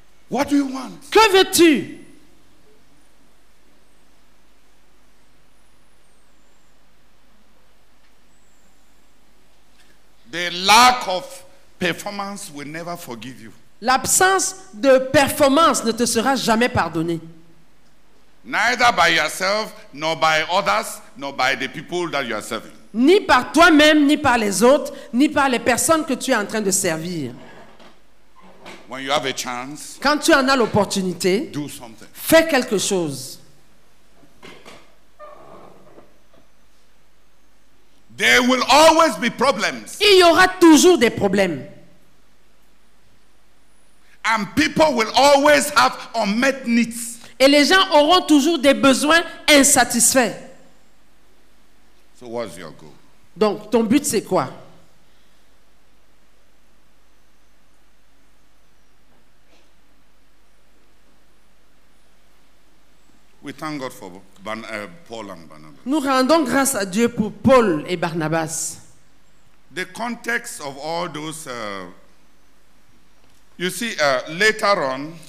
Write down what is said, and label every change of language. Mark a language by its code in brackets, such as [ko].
[en] What do you want? [fr] Que veux-tu? [en] The lack of performance will never forgive you. [fr] L'absence de performance ne te sera jamais pardonnée. [en] Neither by yourself, nor by others, nor by the people that you are serving. [fr] Ni par toi-même, ni par les autres, ni par les personnes que tu es en train de servir. [en] When you have a chance, [fr] quand tu en as l'opportunité, [en] do something. [fr] Fais quelque chose. [en] There will always be problems. [fr] Il y aura toujours des problèmes. [en] And people will always have unmet needs. [fr] Et les gens auront toujours des besoins insatisfaits. [en] So what's your goal? [fr] Donc, ton but, c'est quoi? [en] We thank God for Paul and Barnabas. [fr] Nous rendons grâce à Dieu pour Paul et Barnabas. [en] The context of all those, you see, later on.